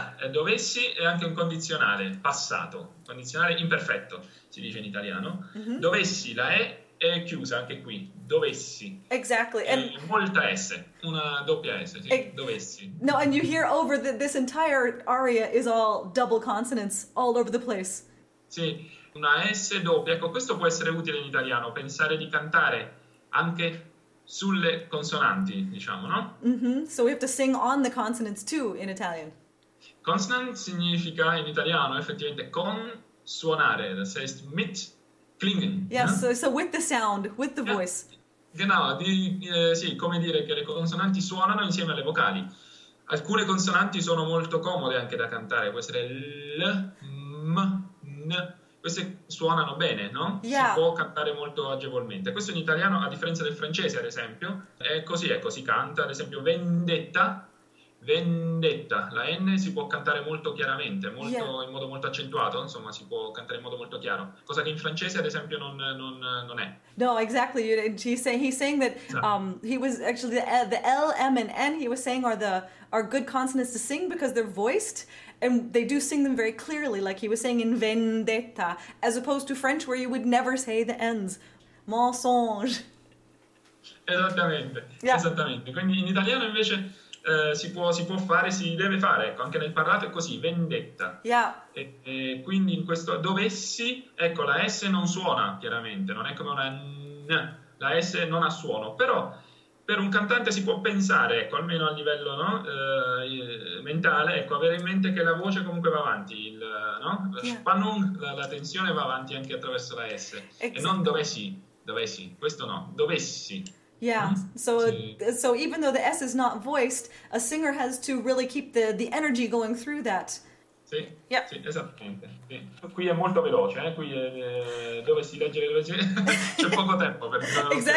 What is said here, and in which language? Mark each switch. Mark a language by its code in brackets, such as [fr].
[it] Dovessi è anche un condizionale passato, condizionale imperfetto, si dice in italiano. Dovessi, la E è chiusa anche qui. Dovessi. [en] Exactly. [it] È [en] And [it] molta S, una doppia S, sì. [en] no, and [it] Dovessi. [en] you hear over that this entire aria is all double consonants all over the place. [it] Sì, una S doppia. Ecco, questo può essere utile in italiano, pensare di cantare anche sulle consonanti, diciamo, no? [en] So we have to sing on the consonants too in Italian. [it] Consonant significa in italiano effettivamente con suonare, [de] das heißt mit klingen. [en] So with the sound, with the voice. [it] Genau, sì, come dire che le consonanti suonano insieme alle vocali. Alcune consonanti sono molto comode anche da cantare, può essere l, m, n. Queste suonano bene, no? Si può cantare molto agevolmente. Questo in italiano, a differenza del francese, ad esempio, è così, ecco, si canta, ad esempio, vendetta. Vendetta, la N si può cantare molto chiaramente, in modo molto accentuato, insomma, si può cantare in modo molto chiaro, cosa che in francese, ad esempio, non è. [en] No, exactly. He's saying that [it] Esatto. [en] he was actually the L, M, and N he was saying are good consonants to sing because they're voiced and they do sing them very clearly, like he was saying in vendetta, as opposed to French where you would never say the N's. [fr] Mensonge. [it] Esattamente, esattamente. Quindi in italiano invece. Si può fare, si deve fare, ecco, anche nel parlato è così, vendetta. E quindi in questo dovessi, ecco, la S non suona chiaramente, non è come una N, la S non ha suono, però Per un cantante si può pensare, ecco, almeno a livello, no? Mentale, ecco, avere in mente che la voce comunque va avanti, no? La Spannung, la tensione va avanti anche attraverso la S, e non dovessi, questo no, dovessi. [en] So even though the S is not voiced, a singer has to really keep the energy going through that. [it] Sì, esattamente. Sì. Qui è molto veloce, eh? Qui dovessi leggere, dovessi... c'è poco tempo per fare lo stress,